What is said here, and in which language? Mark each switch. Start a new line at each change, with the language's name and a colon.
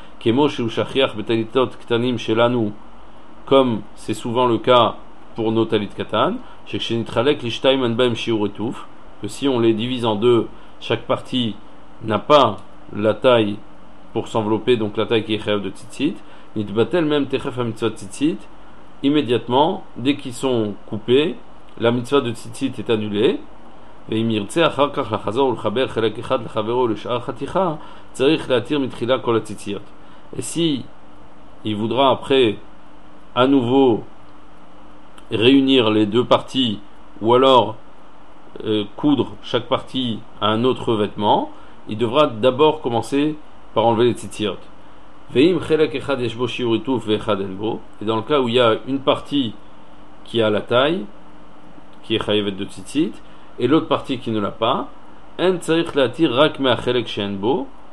Hebrew: כמו שהוא שכיח בטליתות קטנים שלנו,
French: comme c'est souvent le cas pour nos talit katan,
Hebrew: שכשנתחלק לשתיים אין בהם שיעור עטוף,
French: que si on les divise en deux, chaque partie n'a pas la taille pour s'envelopper, donc la taille qui est chayav de tzitzit, nitbatel même techef ha mitzvah tzitzit, immédiatement, dès qu'ils sont coupés, la mitzvah de tzitzit est annulée.
Hebrew: ואם ירצה אחר כך לחזור ולחבר חלק אחד לחברו לשאר חתיכה, צריך להתיר מתחילה כל הציציות.
French: Et si il voudra après à nouveau réunir les deux parties, ou alors coudre chaque partie à un autre vêtement, il devra d'abord commencer par enlever les tziciot.
Hebrew: Ve'im chelak echad yesh bo shiur ituf ve'echad en bo.
French: Et dans le cas où il y a une partie qui a la taille, qui est chayevet de tzitzit, et l'autre partie qui ne l'a pas,
Hebrew: en tzarich la'atir rak me'achelak she'en bo.